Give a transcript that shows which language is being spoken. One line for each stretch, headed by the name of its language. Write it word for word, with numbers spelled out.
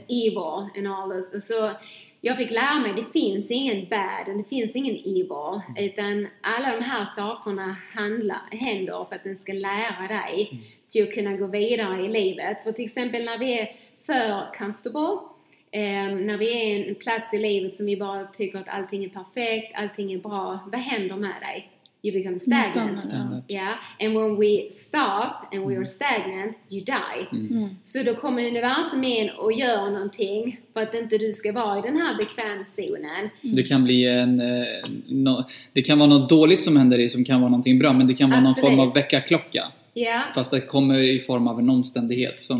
English: as evil and all this.
Swedish: Och så jag fick lära mig, det finns ingen bad, det finns ingen evil, utan alla de här sakerna handlar, händer för att den ska lära dig mm. till att kunna gå vidare i livet. För till exempel när vi är för comfortable, eh, när vi är i en plats i livet som vi bara tycker att allting är perfekt, allting är bra, vad händer med dig?
English: You become stagnant. Mm. Yeah. And when we stop and we are stagnant, you die. Mm. Mm.
Swedish: Så då kommer universum in och gör någonting för att inte du ska vara i den här bekvämszonen. Det kan bli en eh, no, det kan vara något dåligt som händer dig som kan vara någonting bra, men det kan vara Absolut. någon form av väckarklocka.
English: Yeah.
Swedish: Fast det kommer i form av en omständighet som,